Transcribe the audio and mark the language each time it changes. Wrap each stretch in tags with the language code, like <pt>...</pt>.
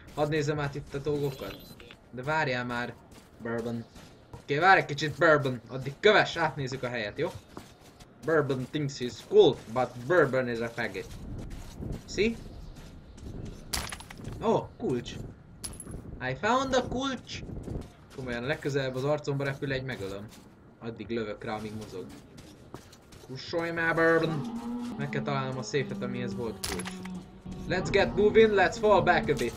<hu>Hadd nézzem át itt a dolgokat. De várjál már, bourbon. Oké, okay, várj egy kicsit, bourbon. Addig köves, átnézzük a helyet, jó?</hu> <en>Bourbon thinks he's cool, but bourbon is a faggot. See? Oh, kulcs. I found a kulcs.</en> <hu>Komolyan, legközelebb az arcomba repül egy, megölöm. Addig lövök rá, amíg mozog. Kussolj már, bourbon. Meg kell találnom a széfet, amihez volt kulcs.</hu> <en>Let's get moving, let's fall back a bit.</en>